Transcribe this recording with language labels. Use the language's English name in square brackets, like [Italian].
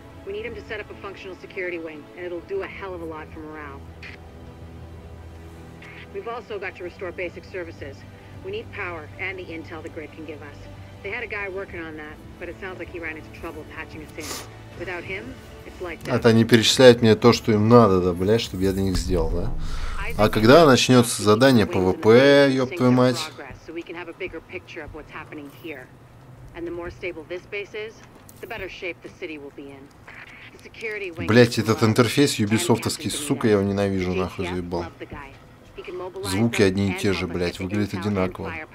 [English] We need him to set up a functional security wing, and it'll do a hell of a lot for morale. We've also got to restore basic services. We need power and the intel the grid can give us. They had a guy working on that, but it sounds like he ran into trouble patching us in. Without him, it's like that. [Russian] Это они перечисляют мне то, что им надо, да, блядь, чтобы я для них сделал, да? А когда начнется задание ПВП, ёб твою мать? [English] So we can have a bigger picture of what's happening here. And the more stable this base is, the better shape the city will be in. The security wing. [Russian] Блять, этот интерфейс юбисофтовский, сука, я его ненавижу, нахуй, заебал. Звуки одни и те же, блядь, выглядит одинаково.